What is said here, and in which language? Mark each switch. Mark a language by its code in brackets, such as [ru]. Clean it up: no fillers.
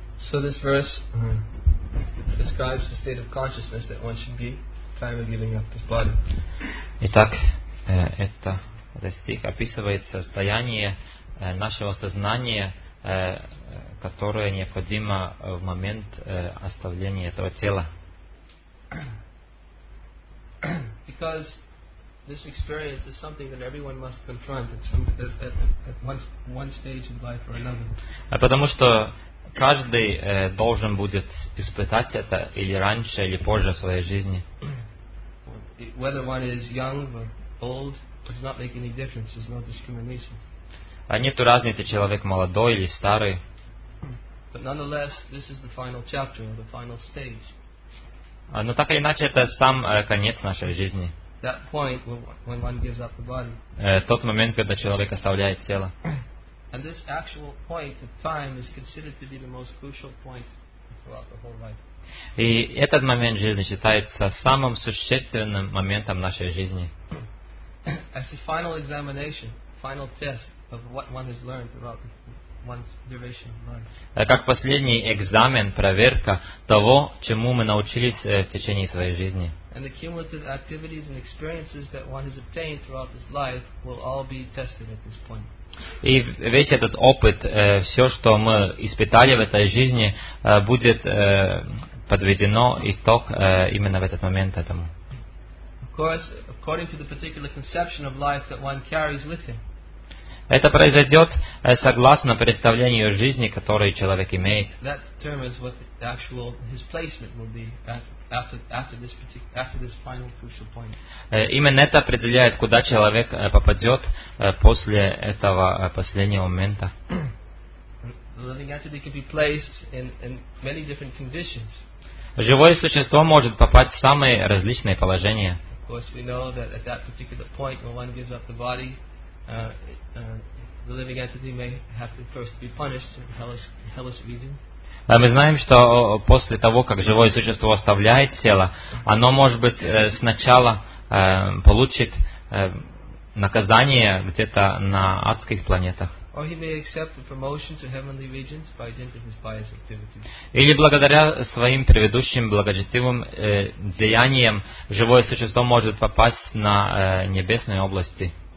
[en] So this verse describes the state of consciousness that one should be time of giving up this body. [ru] Итак, этот стих описывает состояние нашего сознания, которое необходимо в момент оставления этого тела. [en] Because this experience is something that everyone must confront at one stage in life or another. [ru] Потому что каждый должен будет испытать это или раньше, или позже в своей жизни. [en] Whether one is young or old does not make any difference. There's no discrimination. [ru] Нет разницы, человек молодой или старый. [en] But nonetheless, this is the final chapter or the final stage. [ru] Но так или иначе, это сам конец нашей жизни. [en] That point when one gives up the body. [ru] Тот момент, когда человек оставляет тело. [en] And this actual point of time is considered to be the most crucial point throughout the whole life. [ru] И этот момент жизни считается самым существенным моментом нашей жизни. [en] As the final examination, final test of what one has learned throughout one's duration of life. [ru] Как последний экзамен, проверка того, чему мы научились в течение своей жизни. [en] And the cumulative activities and experiences that one has obtained throughout this life will all be tested at this point. [ru] И весь этот опыт, все, что мы испытали в этой жизни, будет подведено итог именно в этот момент этому. [en] Of course, according to the particular conception of life that one carries with him. [ru] Это произойдет согласно представлению жизни, которую человек имеет. [en] That determines what the actual his placement will be after this final crucial point. [ru] Именно это определяет, куда человек попадет после этого последнего момента. [en] The living entity can be placed in many different conditions. [ru] Живое существо может попасть в самые различные положения. [en] Of course, we know that at that particular point, when one gives up the body, the living entity may have to first be punished in hellish regions. [ru] Мы знаем, что после того, как живое существо оставляет тело, оно, может быть, сначала получит наказание где-то на адских планетах. Или благодаря своим предыдущим благочестивым деяниям живое существо может попасть на небесные области.